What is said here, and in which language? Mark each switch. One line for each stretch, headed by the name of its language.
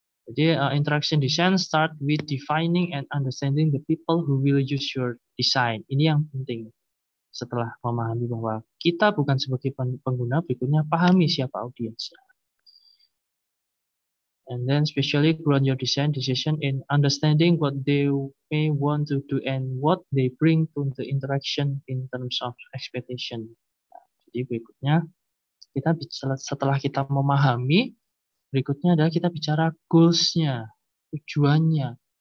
Indonesian: Jadi
English: interaction design start with defining and understanding the people who will use your design.
Indonesian: Ini yang penting. Setelah memahami bahwa kita bukan sebagai pengguna, berikutnya pahami siapa audiensnya.
English: And then especially ground your design decision in understanding what they may want to do and what they bring to the interaction in terms of expectation.
Indonesian: Jadi berikutnya, kita setelah kita memahami, berikutnya adalah kita bicara goals-nya, tujuannya.